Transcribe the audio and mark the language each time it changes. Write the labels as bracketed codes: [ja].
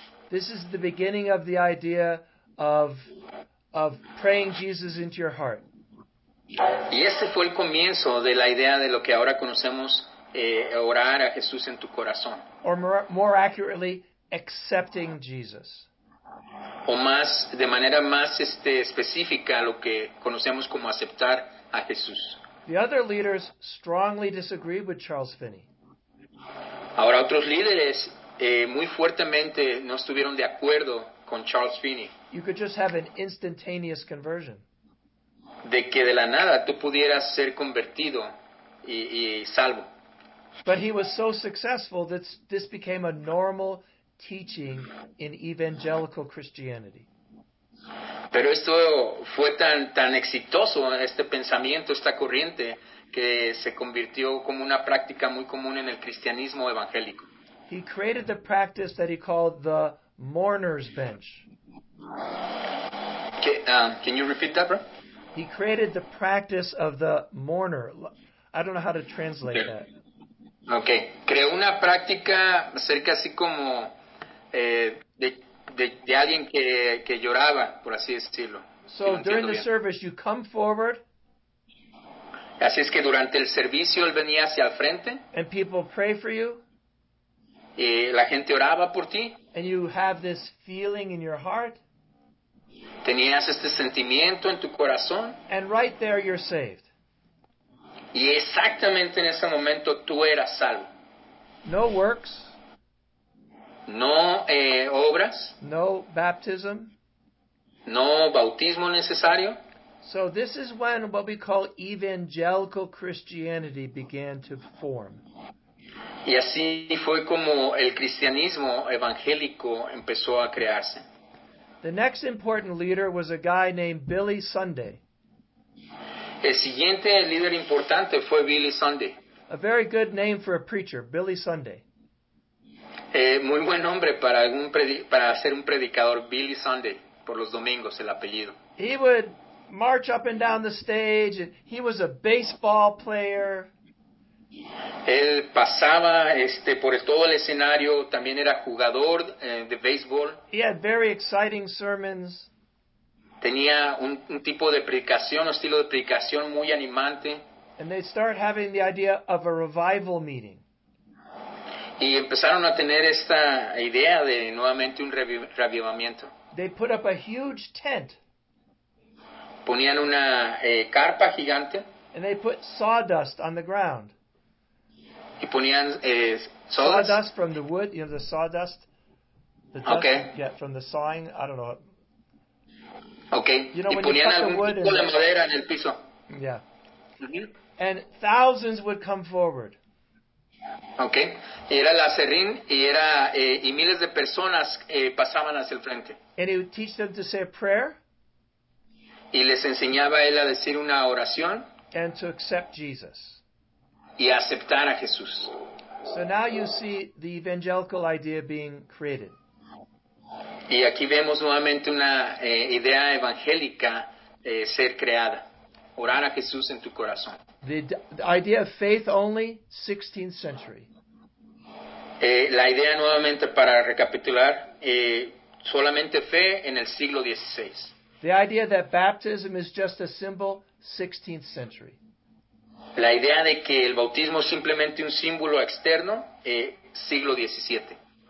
[en] This is the beginning of the idea of praying Jesus into your heart. [es] Y este fue el comienzo de la idea de lo que ahora conocemos orar a Jesús en tu corazón. [en] Or more accurately, accepting Jesus. [es] O más, de manera más específica, lo que conocemos como aceptar a Jesús. [en] The other leaders strongly disagreed with Charles Finney. [es] Ahora, otros líderes muy fuertemente no estuvieron de acuerdo con Charles Finney. [en] You could just have an instantaneous conversion. [es] De que de la nada tú pudieras ser convertido y salvo. [en] But he was so successful that this became a normal teaching in evangelical Christianity. [es] Pero esto fue tan exitoso, este pensamiento, esta corriente, que se convirtió como una práctica muy común en el cristianismo evangélico. [en] He created the practice that he called the mourner's bench. Can you repeat that, bro? He created the practice of the mourner. I don't know how to translate okay. That. Okay. [es] Creó una práctica cerca así como de alguien que lloraba, por así decirlo. [en] So during the service, you come forward. [es] Así es que durante el servicio él venía hacia el frente. [en] And people pray for you. [es] Y la gente oraba por ti. [en] And you have this feeling in your heart. [es] Tenías este sentimiento en tu corazón. [en] And right there you're saved. [es] Y exactamente en ese momento tú eras salvo. [en] No works. [es] No obras. [en] No baptism. [es] No bautismo necesario. [en] So this is when what we call evangelical Christianity began to form. [es] Y así fue como el cristianismo evangélico empezó a crearse. [en] The next important leader was a guy named Billy Sunday. [es] El siguiente líder importante fue Billy Sunday. [en] A very good name for a preacher, Billy Sunday. [es] Muy buen nombre para ser un predicador, Billy Sunday, por los domingos, el apellido. [en] He would march up and down the stage, and he was a baseball player. [es] Él pasaba por todo el escenario, también era jugador de béisbol. [en] He had very exciting sermons. [es] Tenía un tipo de predicación, un estilo de predicación muy animante. [en] And they start having the idea of a revival meeting. [es] Y empezaron a tener esta idea de nuevamente un reavivamiento. [en] They put up a huge tent. [es] Ponían una carpa gigante. [en] And they put sawdust on the ground. [es] Y ponían [en] sawdust from the wood, you know, the sawdust. The dust, okay. Yeah, from the sawing, I don't know. Okay. You know, [es] y ponían algún [en] wood [es] tipo de madera en el piso. [en] Yeah. Mm-hmm. And thousands would come forward. Okay. [es] Y era el acerrín y era y miles de personas pasaban hacia el frente. [en] And he would teach them to say a prayer. [es] Y les enseñaba él a decir una oración. [en] And to accept Jesus. [es] Y aceptar a Jesús. [en] So now you see the evangelical idea being created. [es] Y aquí vemos nuevamente una idea evangélica ser creada. Orar a Jesús en tu corazón. [en] The idea of faith only, 16th century. [es] La idea nuevamente para recapitular, solamente fe en el siglo XVI. [en] The idea that baptism is just a symbol, 16th century. [es] La idea de que el bautismo es simplemente un símbolo externo, siglo XVII.